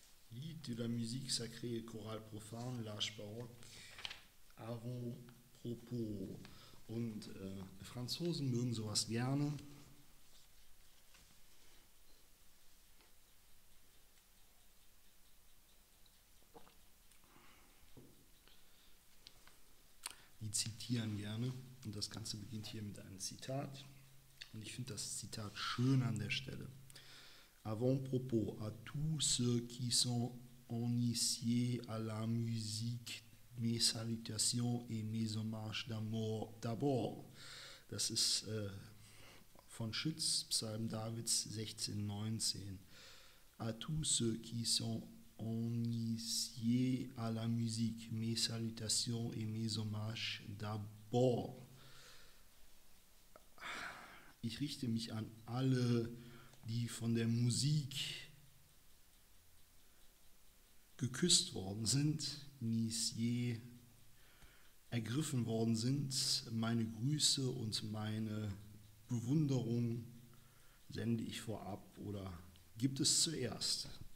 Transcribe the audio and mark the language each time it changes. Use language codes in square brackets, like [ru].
[fr] Lied de la musique sacrée, chorale profane, l'âge baroque, avant propos. [de] Und Franzosen mögen sowas gerne. Die zitieren gerne. Und das Ganze beginnt hier mit einem Zitat. Und ich finde das Zitat schön an der Stelle. [fr] Avant propos, à tous ceux qui sont initiés à la musique, mes salutations et mes hommages d'amour d'abord. [de] Das ist von Schütz, Psalm Davids 16,19. [fr] A tous ceux qui sont initiés à la musique, mes salutations et mes hommages d'abord. [de] Ich richte mich an alle, die von der Musik geküsst worden sind, initié, ergriffen worden sind, meine Grüße und meine Bewunderung sende ich vorab oder gibt es zuerst.